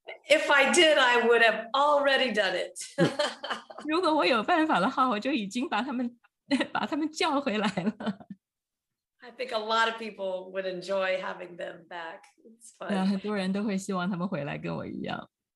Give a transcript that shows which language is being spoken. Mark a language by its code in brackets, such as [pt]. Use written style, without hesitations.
[en] If I did, I would have already done it. [zh] 如果我有办法的话，我就已经把他们叫回来了。 [en] I think a lot of people would enjoy having them back. It's fun. [zh] 很多人都会希望他们回来跟我一样。